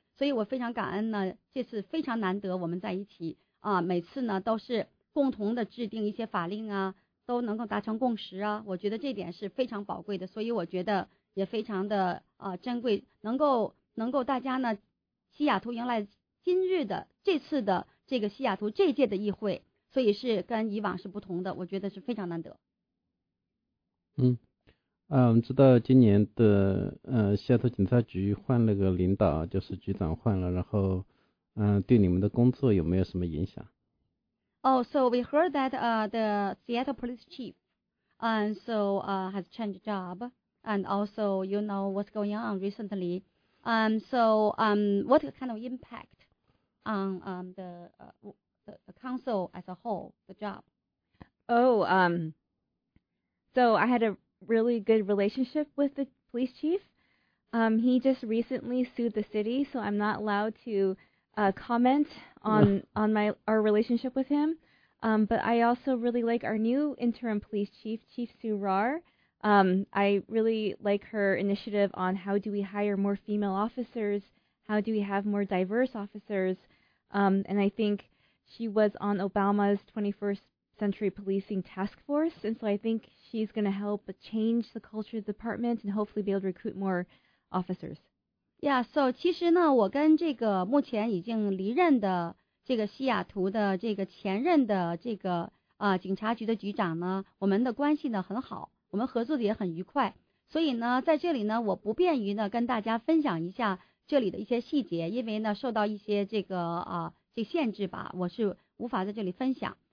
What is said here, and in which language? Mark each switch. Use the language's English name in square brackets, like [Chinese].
[Chinese] 所以我非常感恩呢，这次非常难得我们在一起每次呢都是共同的制定一些法令啊，都能够达成共识啊，我觉得这点是非常宝贵的，所以我觉得也非常的珍贵，能够大家呢西雅图迎来今日的这次的这个西雅图这届的议会，所以是跟以往是不同的，我觉得是非常难得。我们知道今年的西雅图警察局换了个领导，就是局长换了，然后对你们的工作有没有什么影响？ [English] So we heard that the Seattle police chief has changed job, and also you know what's going on recently. So what kind of impact on the council as a whole, the job? So I had a really good relationship with the police chief. He just recently sued the city, so I'm not allowed to comment on our relationship with him. But I also really like our new interim police chief, Chief Sue Rahr. I really like her initiative on how do we hire more female officers, how do we have more diverse officers, and I think she was on Obama's 21st Century Policing Task Force, and so I think she's going to help change the culture of the department and hopefully be able to recruit more officers. Yeah, so [Chinese] 其实呢，我跟这个目前已经离任的这个西雅图的这个前任的这个警察局的局长呢，我们的关系呢很好。我们合作的也很愉快，所以呢，在这里呢，我不便于呢跟大家分享一下这里的一些细节，因为呢受到一些这个这个、限制吧，我是无法在这里分享。